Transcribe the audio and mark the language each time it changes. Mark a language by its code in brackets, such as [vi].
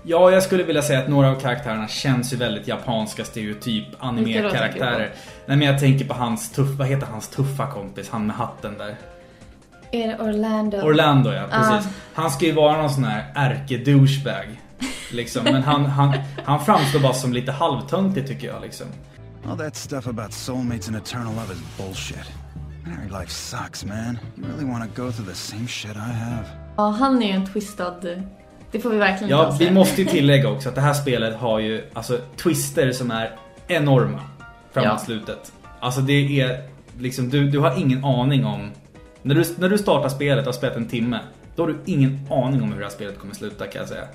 [sv] Ja, jag skulle vilja säga att några av karaktärerna känns ju väldigt japanska stereotyp anime karaktärer. Nej, men jag tänker på hans tuffa kompis, han med hatten där. Är det Orlando? Orlando, ja, precis. Han ska ju vara någon sån här ärke-douchebag liksom, men han framstår bara som lite halvtöntig tycker jag liksom. [en] All that stuff about soulmates and eternal love is bullshit. Married life sucks, man. You really want to go through the same shit I have? [sv] Ja, han är ju en twistad. Det får vi verkligen. Ja, vi måste ju tillägga också att det här spelet har ju alltså twister som är enorma framåt slutet. Alltså det är liksom du har ingen aning om när du startar spelet och har spelat en timme, då har du ingen aning om hur det här spelet kommer sluta, kan jag säga.